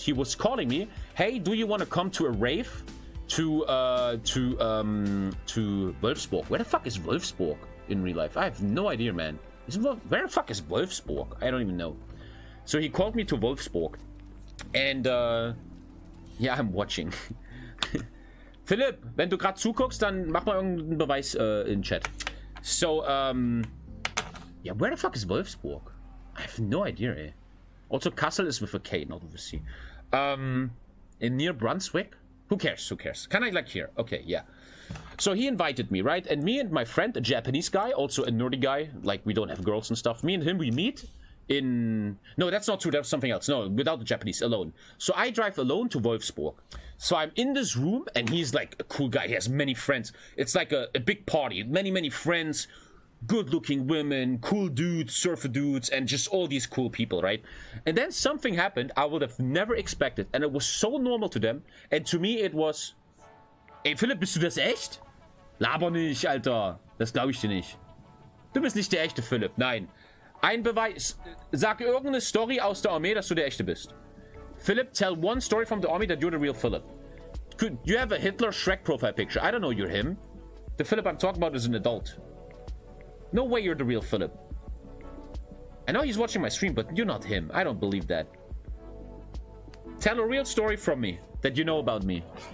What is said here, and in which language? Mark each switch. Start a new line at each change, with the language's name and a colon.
English: He was calling me, hey, do you want to come to a rave to Wolfsburg? Where the fuck is Wolfsburg in real life? I have no idea, man. Where the fuck is Wolfsburg? I don't even know. So he called me to Wolfsburg, and yeah, I'm watching.
German: Philipp, wenn du gerade zuguckst, dann mach mal irgendeinen Beweis in chat.
English: So, yeah, where the fuck is Wolfsburg? I have no idea, eh? Also, Kassel is with a K, not with a C. In near Brunswick? Who cares? Kind of like here. Okay, yeah. So he invited me, right? And me and my friend, a Japanese guy, also a nerdy guy, like we don't have girls and stuff, me and him, we meet. No, that's not true. That was something else. No, without the Japanese, alone. So I drive alone to Wolfsburg. So I'm in this room, and he's like a cool guy. He has many friends. It's like a big party. Many, many friends, good-looking women, cool dudes, surfer dudes, and just all these cool people, right? And then something happened I would have never expected, and it was so normal to them, and to me it was...
German: Ey, Philipp, bist du das echt? Laber nicht, Alter. Das glaube ich dir nicht. Du bist nicht der echte Philipp, nein. Ein Beweis... Sag irgendeine Story aus der Armee, dass du der echte bist.
English: Philipp, tell one story from the army that you're the real Philipp. Could you have a Hitler Shrek profile picture? I don't know you're him. The Philip I'm talking about is an adult. No way you're the real Philip. I know he's watching my stream, but you're not him. I don't believe that. Tell a real story from me that you know about me.